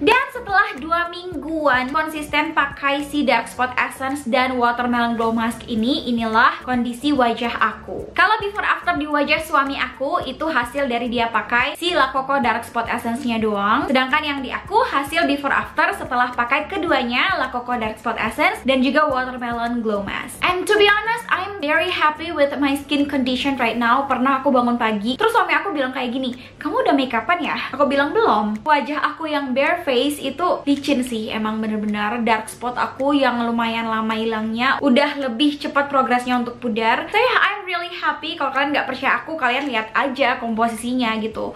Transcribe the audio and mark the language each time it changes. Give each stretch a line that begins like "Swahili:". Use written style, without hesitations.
Indonesian: Dan setelah 2 mingguan konsisten pakai si Dark Spot Essence dan Watermelon Glow Mask ini, inilah kondisi wajah aku. Kalau before after di wajah suami aku, itu hasil dari dia pakai si La Coco Dark Spot Essence-nya doang. Sedangkan yang di aku, hasil before after setelah pakai keduanya, La Coco Dark Spot Essence dan juga Watermelon Glow Mask.
English: And to be honest, I'm very happy with my skin condition right now.
Indonesian: Pernah aku bangun pagi, terus suami aku bilang kayak gini, kamu udah makeup-an ya? Aku bilang belum. Wajah aku yang bare face itu licin sih, emang bener-bener dark spot aku yang lumayan lama hilangnya udah lebih cepat progresnya untuk pudar.
English: So yeah, I'm really happy.
Indonesian: Kalau kalian gak percaya aku, kalian lihat aja komposisinya gitu.